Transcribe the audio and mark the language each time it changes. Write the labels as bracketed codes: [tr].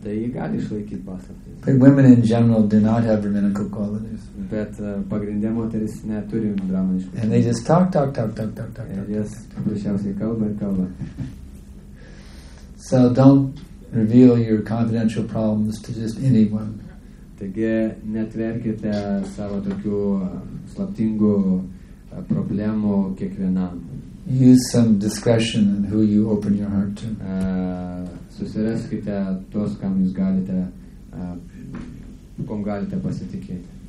[en] But women in general do not have brahminical qualities. [lt] Pagrinde moteris neturi brahmaniškų. [en] And they just talk. [lt] Jos dažniausiai kalba ir kalba. [en] So don't reveal your confidential problems to just anyone. [lt] Taigi netverkite savo tokių slaptingų problemų kiekvienam. [en] Use some discretion in who you open your heart to. [lt] Susiraskite tos, kam jūs galite, kom galite pasitikėti.